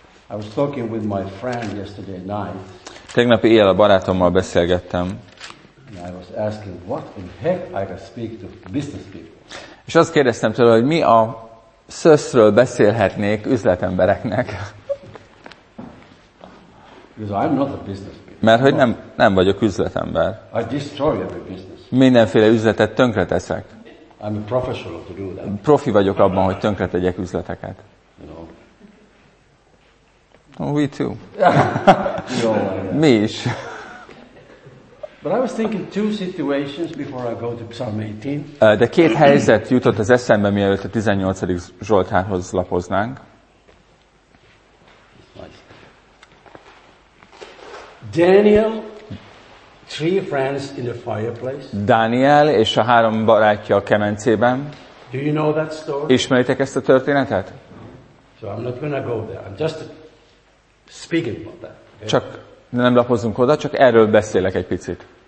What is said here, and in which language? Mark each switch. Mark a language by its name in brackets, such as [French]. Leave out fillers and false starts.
[English] I was talking with my friend yesterday night. [Hungarian] Tegnap éjjel a barátommal beszélgettem. [English] I was asking what in heck I can speak to business people. [Hungarian] És azt kérdeztem tőle, hogy mi a szöszről beszélhetnék üzletembereknek. [English] Because I'm not a business people. [Hungarian] Mert hogy nem vagyok üzletember. [English] I destroy every business. [Hungarian] Mindenféle üzletet tönkreteszek. [English] I'm a professional to do that. [Hungarian] Profi vagyok abban, hogy tönkretegyek üzleteket. [English] You know. Oh, we too. No, me is. But I was thinking 2 situations before I go to Psalm 18. [Hungarian] De 2 helyzet jutott az eszembe, mielőtt a 18. Zsoltárhoz lapoznánk. [English] Daniel, 3 friends in the fireplace. [Hungarian] Daniel és a 3 barátja a kemencében. [English] Do you know that story? [Hungarian] Ismeritek ezt a történetet? [English] So I'm not going to go there. I'm just speaking about that. [Hungarian] Csak nem lapozunk oda, csak erről beszélek egy picit.